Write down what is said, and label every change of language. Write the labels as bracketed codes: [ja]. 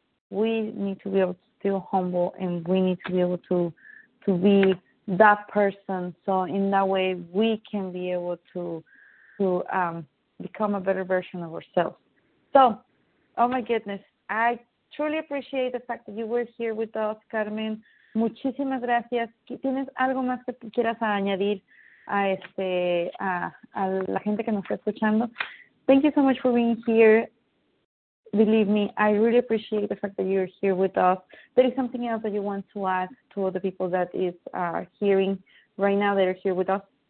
[en] We need to be able to still humble, and we need to be able to be that person. So in that way, we can be able to become a better version of ourselves. So, oh my goodness, I truly appreciate the fact that you were here with us, Carmen. [es] Muchísimas gracias. ¿Tienes algo más que quieras añadir a a la gente que nos está escuchando? [en] Thank you so much for being here. Believe me, I really appreciate the fact that you're here with us. There is something else that you want to add to the people that is hearing right now that are here with us?